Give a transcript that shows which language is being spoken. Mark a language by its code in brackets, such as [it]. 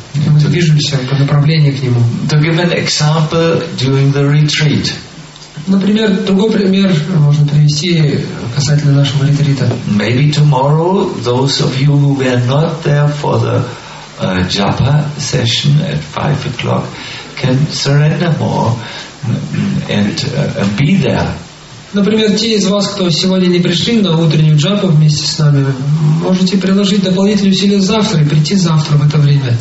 [ru] Мы движемся по направлению к Нему. [en] To give an example during the retreat. [ru] Например, другой пример можно привести касательно нашего ретрита. [en] Maybe tomorrow those of you who were not there for the japa session at 5 o'clock can surrender more and be there. [ru] Например, те из вас, кто сегодня не пришли на утреннюю джапу вместе с нами, можете приложить дополнительные усилия завтра и прийти завтра в это время.